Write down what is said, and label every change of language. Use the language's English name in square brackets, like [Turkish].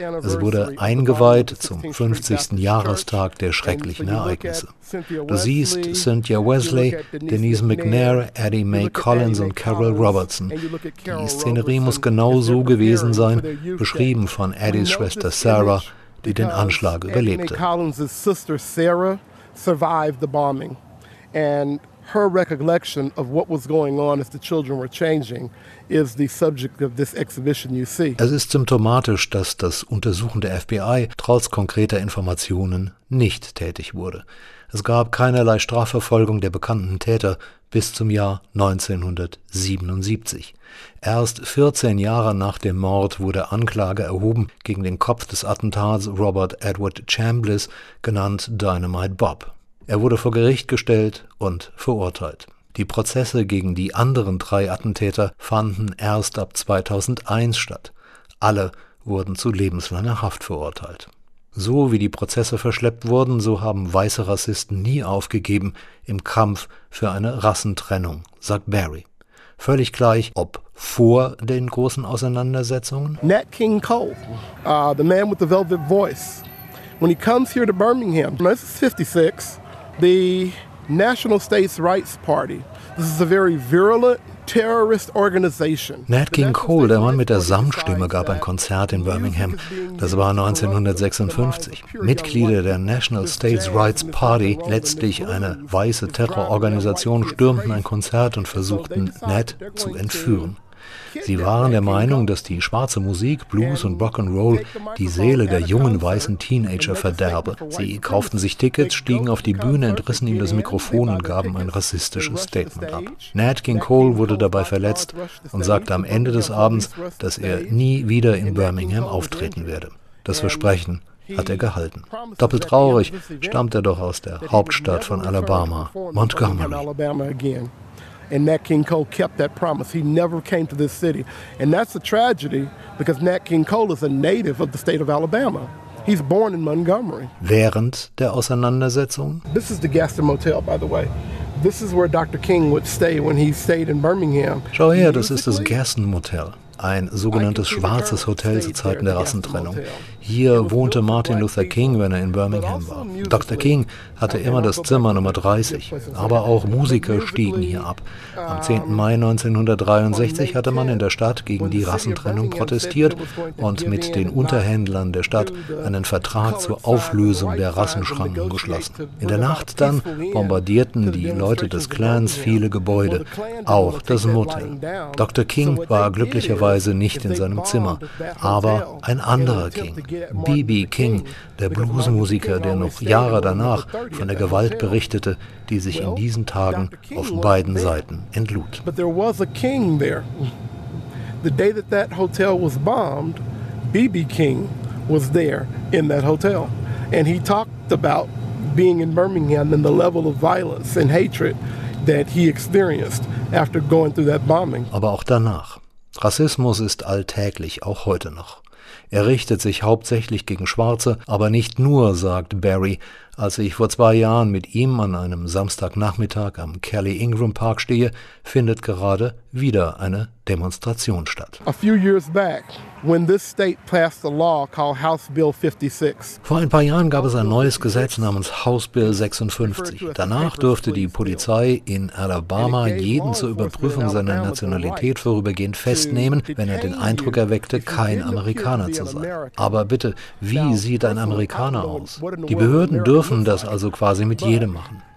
[German] Es wurde eingeweiht zum 50. Jahrestag der schrecklichen Ereignisse. Du siehst Cynthia Wesley, Denise McNair, Addie Mae Collins und Carol Robertson. Die Szenerie muss genau so gewesen sein, beschrieben von Addies Schwester Sarah, die den Anschlag überlebte. [English] Addie Collins' sister Sarah survived the bombing, and her recollection of what was going on as the children were changing is the subject of this exhibition you see. [German] Es ist symptomatisch, dass das untersuchende FBI trotz konkreter Informationen nicht tätig wurde. Es gab keinerlei Strafverfolgung der bekannten Täter bis zum Jahr 1977. Erst 14 Jahre nach dem Mord wurde Anklage erhoben gegen den Kopf des Attentats Robert Edward Chambliss, genannt Dynamite Bob. Er wurde vor Gericht gestellt und verurteilt. Die Prozesse gegen die anderen drei Attentäter fanden erst ab 2001 statt. Alle wurden zu lebenslanger Haft verurteilt. So wie die Prozesse verschleppt wurden, so haben weiße Rassisten nie aufgegeben im Kampf für eine Rassentrennung, sagt Barry. Völlig gleich, ob vor den großen Auseinandersetzungen. [English] Nat King Cole, the man with the velvet voice, when he comes here to Birmingham, this is 56, the National States Rights Party, this is a very virulent terrorist organization. [German] Nat King Cole, der Mann mit der Samtstimme, gab ein Konzert in Birmingham. Das war 1956. Mitglieder der National States Rights Party, letztlich eine weiße Terrororganisation, stürmten ein Konzert und versuchten, Nat zu entführen. Sie waren der Meinung, dass die schwarze Musik, Blues und Rock'n'Roll die Seele der jungen weißen Teenager verderbe. Sie kauften sich Tickets, stiegen auf die Bühne, entrissen ihm das Mikrofon und gaben ein rassistisches Statement ab. Nat King Cole wurde dabei verletzt und sagte am Ende des Abends, dass er nie wieder in Birmingham auftreten werde. Das Versprechen hat er gehalten. Doppelt traurig stammt er doch aus der Hauptstadt von Alabama, Montgomery. [English] And Nat King Cole kept that promise. He never came to this city. And that's a tragedy, because Nat King Cole is a native of the state of Alabama. He's born in Montgomery. [German] Während der Auseinandersetzung? [English] This is the Gaston Motel, by the way. This is where Dr. King would stay when he stayed in Birmingham. [German] Schau her, das ist das Gaston Motel. Ein sogenanntes schwarzes Hotel zu Zeiten der Rassentrennung. Hier wohnte Martin Luther King, wenn er in Birmingham war. Dr. King hatte immer das Zimmer Nummer 30. Aber auch Musiker stiegen hier ab. Am 10. Mai 1963 hatte man in der Stadt gegen die Rassentrennung protestiert und mit den Unterhändlern der Stadt einen Vertrag zur Auflösung der Rassenschranken geschlossen. In der Nacht dann bombardierten die Leute des Clans viele Gebäude, auch das Motel. Dr. King war glücklicherweise nicht in seinem Zimmer, aber ein anderer King, B.B. King, der Bluesmusiker, der noch Jahre danach von der Gewalt berichtete, die sich in diesen Tagen auf beiden Seiten entlud. [English] But there was a King there. The day that that hotel was bombed, B.B. King was there in that hotel, and he talked about being in Birmingham and the level of violence and hatred that he experienced after going through that bombing. [German] Aber auch danach. Rassismus ist alltäglich, auch heute noch. Er richtet sich hauptsächlich gegen Schwarze, aber nicht nur, sagt Barry. Als ich vor zwei Jahren mit ihm an einem Samstagnachmittag am Kelly Ingram Park stehe, findet gerade wieder eine Demonstration statt. [English] A few years back, when this state passed a law called House Bill 56. [German] Vor ein paar Jahren gab es ein neues Gesetz namens House Bill 56. Danach durfte die Polizei in Alabama jeden zur Überprüfung seiner Nationalität vorübergehend festnehmen, wenn er den Eindruck erweckte, kein Amerikaner zu sein. Aber bitte, wie sieht ein Amerikaner aus? Die Behörden dürfen das also quasi mit jedem machen.